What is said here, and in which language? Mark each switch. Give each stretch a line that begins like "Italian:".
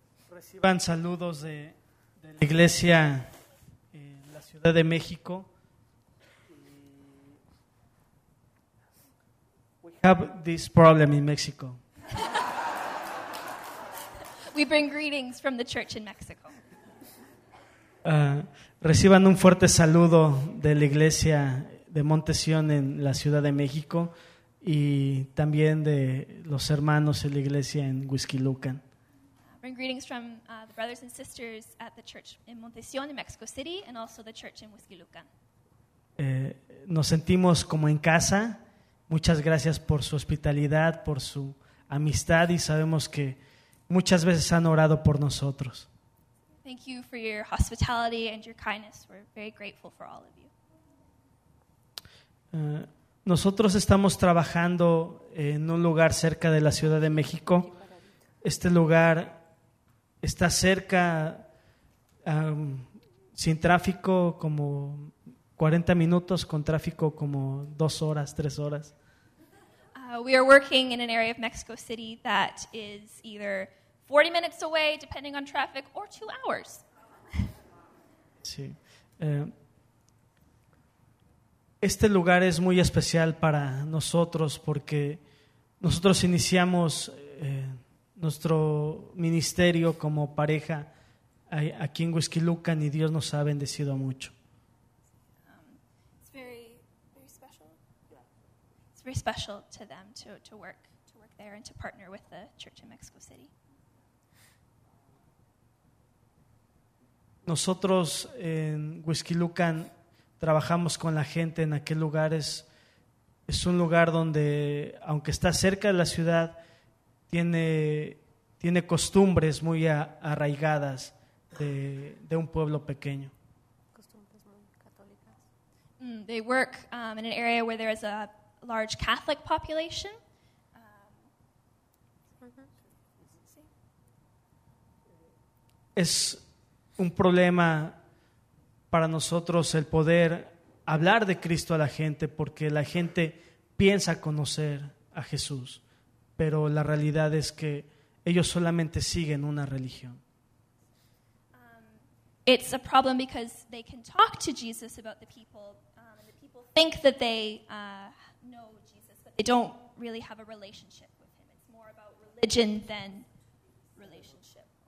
Spanish: Reciban saludos de la iglesia en la Ciudad de México.
English: We have this problem in Mexico. We bring greetings from the church in Mexico.
Spanish: Reciban un fuerte saludo de la iglesia de Monte Sion en la Ciudad de México y también de los hermanos en la iglesia en Huixquilucan.
English: Bring greetings from the brothers and sisters at the church in Monte Sion in Mexico City and also the church in Huixquilucan.
Spanish: Nos sentimos como en casa. Muchas gracias por su hospitalidad, por su amistad y sabemos que muchas veces han orado por nosotros.
English: Thank you for your hospitality and your kindness. We're very grateful for all of you.
Spanish: Nosotros estamos trabajando en un lugar cerca de la Ciudad de México. Este lugar está cerca, sin tráfico, como 40 minutos, con tráfico como 2 horas, 3 horas.
English: We are working in an area of Mexico City that is either 40 minutes away, depending on traffic, or 2 hours.
Spanish: Sí. Este lugar es muy especial para nosotros porque nosotros iniciamos nuestro ministerio como pareja aquí en Huixquilucan y Dios nos ha bendecido mucho.
English: It's very, very special. It's very special to them to work there and to partner with the church in Mexico City.
Spanish: Nosotros en Huixquilucan trabajamos con la gente en aquel lugar. Es un lugar donde, aunque está cerca de la ciudad, tiene costumbres muy arraigadas de un pueblo pequeño. Costumbres muy católicas.
English: They work in an area where there is a large Catholic population.
Spanish: Es un problema para nosotros el poder hablar de Cristo a la gente porque la gente piensa conocer a Jesús, pero la realidad es que ellos solamente siguen una religión.
English: It's a problem because they can talk to Jesus about the people, and the people think that they know Jesus, but they don't really have a relationship with him. It's more about religion than relationship.